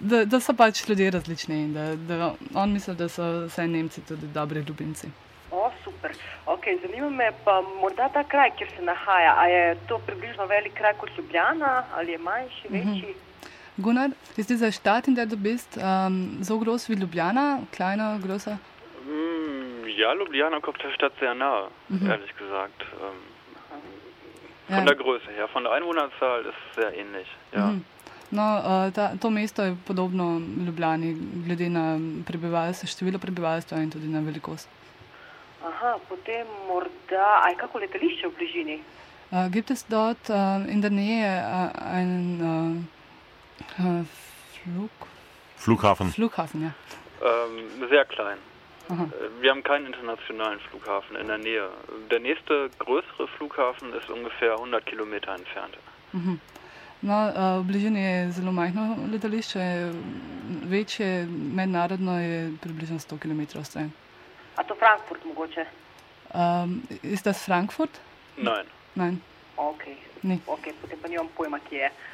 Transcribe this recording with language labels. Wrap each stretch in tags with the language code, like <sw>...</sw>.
<sl>Da so pač ljudje različni in da on misli, da so vse Nemci tudi dobri ljubimci. O, super. Ok, zanima me pa morda ta kraj, kjer se nahaja. A je to približno velik kraj kot Ljubljana ali je manjši, večji? Mm-hmm.</sl> <de>Gunnar, ist dieser Stadt, in der du bist, so groß wie Ljubljana, kleiner, größer? Ja, Ljubljana kommt der Stadt sehr nahe, ehrlich gesagt. Von der Größe her, von der Einwohnerzahl ist es sehr ähnlich, ja. Mm-hmm.</de> <sl>No, to mesto je podobno Ljubljani, glede na prebivalstvo, število prebivalstva in tudi na velikost. Aha, potem morda, a je kako letališče v bližini?</sl> <de>Gibt es dort in der Nähe einen Flughafen? Flughafen, ja. Sehr klein. Wir haben keinen internationalen Flughafen in der Nähe. Der nächste größere Flughafen ist ungefähr 100 Kilometer entfernt. Mhm.</de> <sl>No, v bližini je zelo majhno letališče, večje, mednarodno je približno 100 km stran. A to Frankfurt mogoče?</sl> <de>Ist das Frankfurt? Nein.</de> <sl>Okay. Okay, potem pa nimam pojma, kje je.</sl>